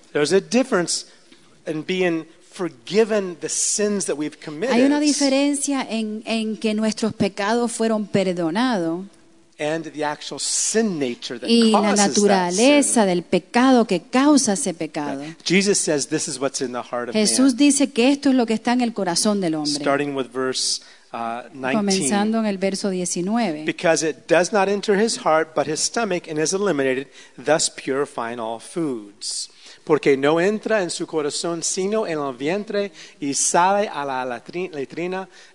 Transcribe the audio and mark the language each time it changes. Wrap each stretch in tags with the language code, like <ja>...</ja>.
<en>There's a difference in being forgiven the sins that we've committed.</en> <es>Hay una diferencia en que nuestros pecados fueron perdonados.</es> <en>And the actual sin nature that causes that sin.</en> <es>Y la naturaleza del pecado que causa ese pecado.</es> <en>Jesus says this is what's in the heart of man.</en> <es>Jesús dice que esto es lo que está en el corazón del hombre.</es> <en>Starting with verse 19.</en> <es>Comenzando en el verso 19.</es> <en>Because it does not enter his heart, but his stomach, and is eliminated, thus purifying all foods.</en> <es>Porque no entra en su corazón, sino en el vientre, y sale a la letrina.</es>